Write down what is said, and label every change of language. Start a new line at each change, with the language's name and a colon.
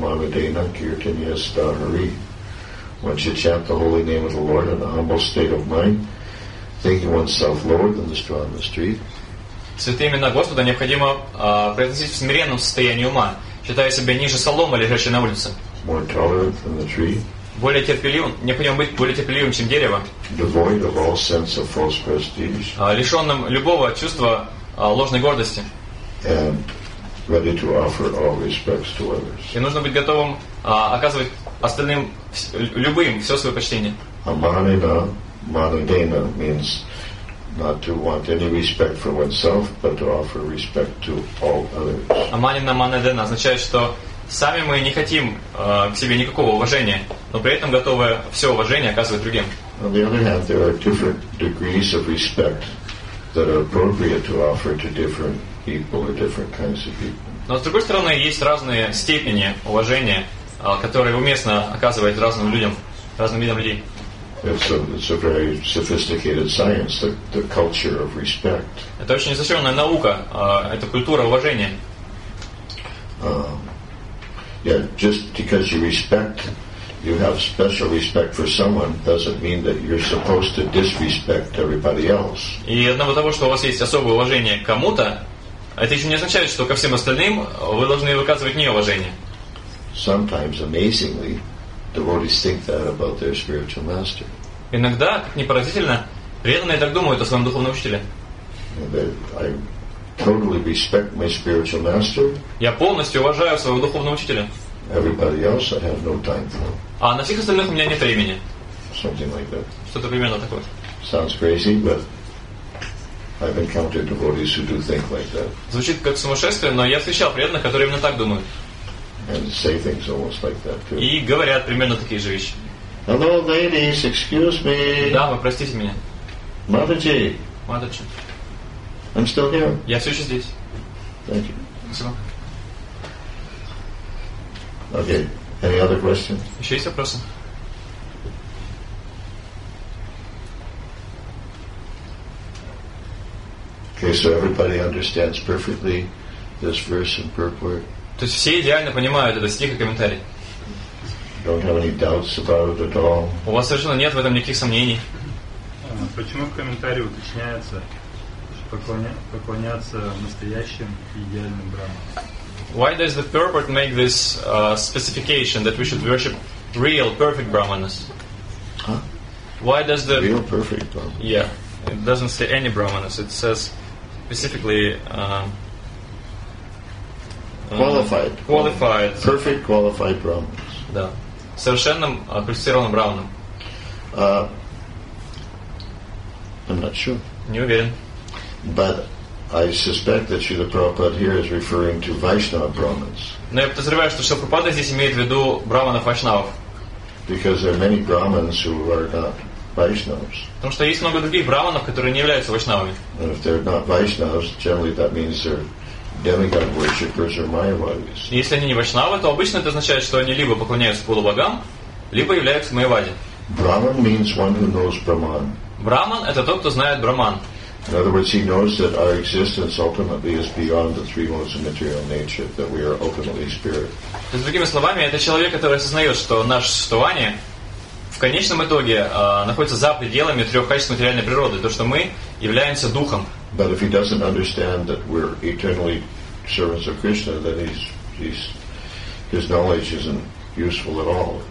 English: Once you chant the holy name of the Lord in a humble state of mind, thinking oneself lower than the straw in the street.
Russian: Святые имена Господа необходимо произносить в смиренном состоянии ума, считая себя ниже соломы, лежащей на улице.
English: More tolerant than the tree.
Russian: Более терпеливым, необходимо быть более терпеливым, чем дерево.
English: Devoid of all sense of false prestige.
Russian: Лишенным любого чувства ложной гордости.
English: And ready to offer all respects to others.
Russian: И нужно быть готовым оказывать остальным любым все свое почтение.
Sanskrit: Amanina, manadena
English: means not to want any respect for oneself, but to offer respect to all others.
Sanskrit: Amanina, manadena
Russian: означает, что сами мы не хотим к себе никакого уважения, но при этом готовы все уважение оказывать другим.
English: On the other hand, there are different degrees of respect that are appropriate to offer to different people or different kinds of people.
Russian: Но с другой стороны, есть разные степени уважения, которые уместно оказывать разным людям, разным видам людей.
English: It's a very sophisticated science, the culture of respect.
Russian: Это очень изощренная наука, это культура уважения.
English: Just because you respect, you have special respect for someone, doesn't mean that you're supposed to disrespect everybody else.
Russian: И одного того, что у вас есть особое уважение к кому-то, это еще не означает, что ко всем остальным вы должны выказывать неуважение.
English: Sometimes, amazingly, devotees think that about their spiritual master.
Russian: Иногда, как ни поразительно, преданные так думают о своем духовном учителе.
English: I totally respect my spiritual master.
Russian: Я полностью уважаю своего духовного учителя.
English: Everybody else I have no time for.
Russian: А на всех остальных у меня нет времени.
English: Something like that.
Russian: Что-то примерно такое.
English: Sounds crazy, but I've encountered devotees who do think like that.
Russian: Звучит как сумасшествие, но я встречал преданных, которые именно так думают.
English: And say things almost like that too.
Russian: И говорят примерно такие же вещи.
English: Hello, ladies, excuse me.
Russian: Да, вы простите меня.
Hindi: Mataji. Mataji.
English: I'm still here.
Russian: Я все еще здесь.
English: Thank you.
Russian: Спасибо.
English: Okay. Any other question?
Russian: Еще есть вопросы?
English: Okay, so everybody understands perfectly this verse in purport.
Russian: То есть все идеально понимают этот стих и комментарий.
English: Don't have any doubts about it at all.
Russian: У вас совершенно нет в этом никаких сомнений. Почему в комментарии уточняется поклоняться настоящим идеальным брахманам?
English: Why does the purport make this specification that we should worship real perfect brahmanas? Huh? Why does the real perfect brahmanas? Yeah, it doesn't say any brahmanas. It says specifically. Qualified. Perfect qualified brahmanas.
Russian: Да. Совершенным квалифицированным брахманам.
English: I'm not sure.
Russian: Не уверен.
English: But I suspect that Srila Prabhupada here is referring to Vaishnava brahmanas.
Russian: Но я подозреваю, что Srila Prabhupada здесь имеет в виду брахманов вайшнавов.
English: Because there are many brahmanas who are not vaishnavas.
Russian: Потому что есть много других брахманов, которые не являются вайшнавами.
English: And if they're not vaishnavas, generally that means they're demigod worshippers or mayavadis.
Russian: Если они не вайшнавы, то обычно это означает, что они либо поклоняются полубогам, либо являются майявади.
English: Brahman means one who knows Brahman.
Russian: Brahman это тот, кто знает Брахман.
English: In other words, he knows that our existence ultimately is beyond the three modes of material nature, that we are ultimately spirit.
Russian: То есть, другими словами, это человек, который осознает, что наше существование в конечном итоге находится за пределами трех качеств материальной природы, то, что мы являемся духом.
English: But if he doesn't understand that we're eternally servants of Krishna, then his knowledge isn't useful at all.